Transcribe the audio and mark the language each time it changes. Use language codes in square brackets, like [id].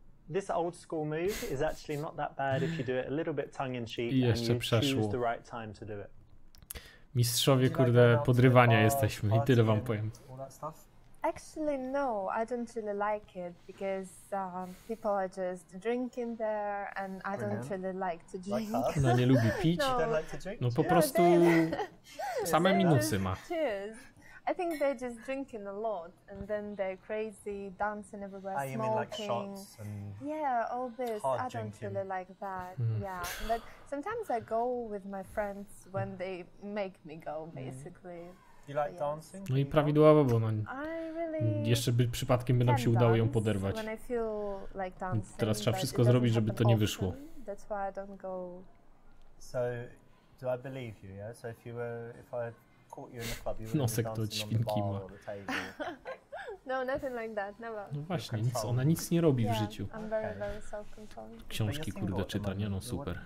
[en] This old school move is actually not that bad if you do it a little bit tongue in cheek and you choose the right time to do it. [pl] Mistrzowie, kurde, podrywania jesteśmy. I tyle wam powiem. [en] Actually, no, I don't really like it because people are just drinking there and I don't really like to drink. [pl] No, nie lubi pić. [en] No, like [pl] no po prostu same minusy ma. [en] Cheers. I think they're just drinking a lot, and then they're crazy, dancing everywhere, smoking. You mean like shots and all this. I don't really like that. Mm. Yeah, but sometimes I go with my friends when they make me go, basically. Mm. You like dancing? [pl] No i prawidłowo, bo no. [en] I really [pl] jeszcze by przypadkiem by nam się udało ją poderwać. [en] When I feel like dancing, [pl] teraz trzeba wszystko zrobić, żeby to nie wyszło. [en] That's why I don't go. So, do I believe you? Yeah. So if you were, if I caught you in the club, you would be dancing on the bar or the table. No, nothing like that. Never. [pl] No właśnie, nic, ona nic nie robi w życiu. [en] I'm very self-controlled. [pl] Książki, kurde, czyta, nie no, super.